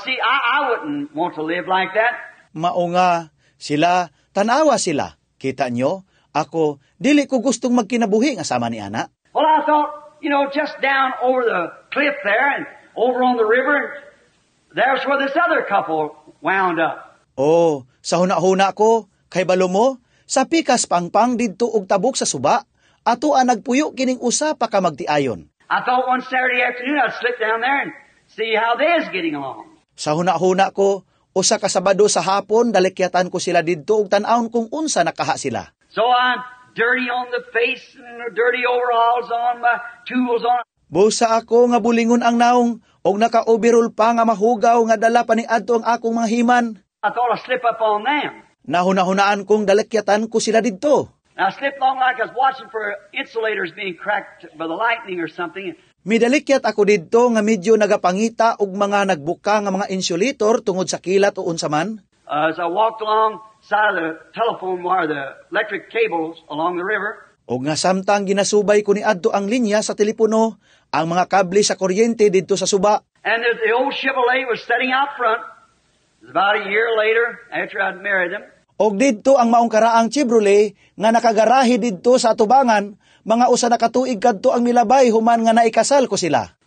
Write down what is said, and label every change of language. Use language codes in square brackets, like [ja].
[en] See, I wouldn't want to live like that. [ceb] Maunga, sila, tanawa sila. Kita nyo, ako, dili ko gustong magkinabuhi nga sama ni ana. [en] Well, I thought, you know, just down over the cliff there and over on the river, there's where this other couple wound up. [ceb] Oh, sa huna-huna ko, kay balo mo, sa pikas pangpang didto og tabok sa suba, ato ang nagpuyo kining usa pa ka magtiayon. [en] I thought one Saturday afternoon I'd slip down there and see how they is getting along. [ceb] Sa huna-huna ko, usa ka Sabado sa hapon, dalikyatan ko sila didto og tanawon kung unsa nakaha sila. [en] So I'm dirty on the face and dirty overalls on, my tools on. [ceb] Busa ako nga bulingon ang naong og naka-overall pa nga mahugaw nga dala pa ni adto ang akong mga himan. [en] I thought I'd slip up on them. [ceb] Nahuna-hunaan kong dalakyatan ko sila dito. [en] I slipped long like I was watching for insulators being cracked by the lightning or something. [ceb] Midalikyat ako dito nga medyo nagapangita og mga nagbuka nga mga insulator tungod sa kilat o unsaman. [en] As I walked along side of the telephone wire, the electric cables along the river. [ceb] Og nga samtang ginasubay ko ni adto ang linya sa telepono, ang mga kable sa kuryente dito sa suba. [en] And the old Chevrolet was standing out front. About a year later, after I'd married them. [ceb] Og didto ang maungkaraang Chevrolet nga nakagarahi didto sa atubangan, mga usa na katuig kadto ang milabay human nga naikasal ko sila.